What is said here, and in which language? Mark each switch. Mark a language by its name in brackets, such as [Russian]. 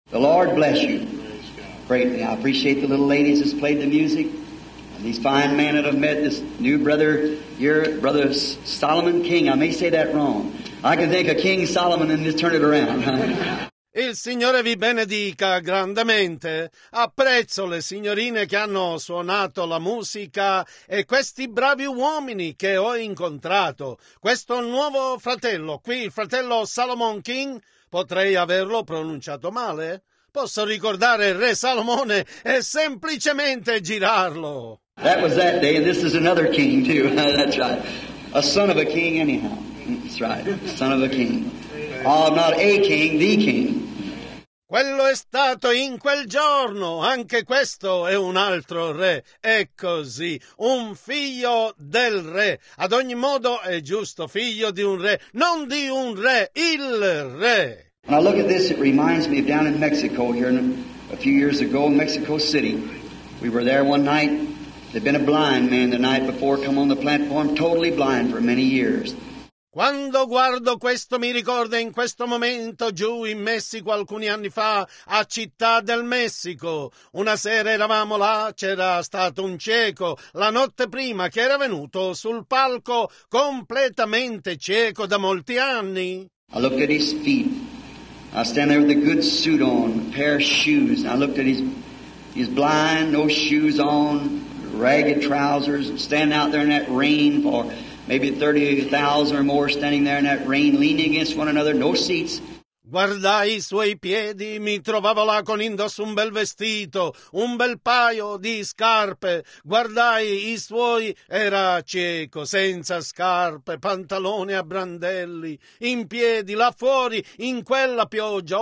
[English] The Lord bless you. Greatly. I appreciate the little ladies that's played the music. And these fine men that have met this new brother, your brother Solomon King. I may say that wrong. I can think of King Solomon and just turn it around. [Italian] Il Signore vi benedica grandemente. Apprezzo le signorine che hanno suonato la musica e questi bravi uomini che ho incontrato. Questo nuovo fratello qui, il fratello Solomon King, potrei averlo pronunciato male. posso ricordare il re Salomone e semplicemente girarlo. [English] That was that day, and this is another king too. That's right. A son of a king anyhow. That's right. Son of a king. Oh, not a king, the king. [Italian] Quello è stato in quel giorno, anche questo è un altro re, è così, un figlio del re. Ad ogni modo è giusto, figlio di un re, non di un re, il re. [English] When I look at this, it reminds me of down in Mexico, here a few years ago in Mexico City. We were there one night, there'd been a blind man the night before come on the platform, totally blind for many years. [Italian] Quando guardo questo mi ricorda in questo momento giù in Messico alcuni anni fa a Città del Messico. Una sera eravamo là, c'era stato un cieco la notte prima che era venuto sul palco completamente cieco da molti anni. [English] I looked at his feet. I stand there with a good suit on, a pair of shoes. I looked at his blind, no shoes on, ragged trousers, stand out there in that rain for maybe 30,000 or more standing there in that rain, leaning against one another, no seats. [Italian] Guardai i suoi piedi, mi trovavo là con indosso un bel vestito, un bel paio di scarpe. Guardai i suoi, era cieco, senza scarpe, pantaloni a brandelli, in piedi, là fuori, in quella pioggia.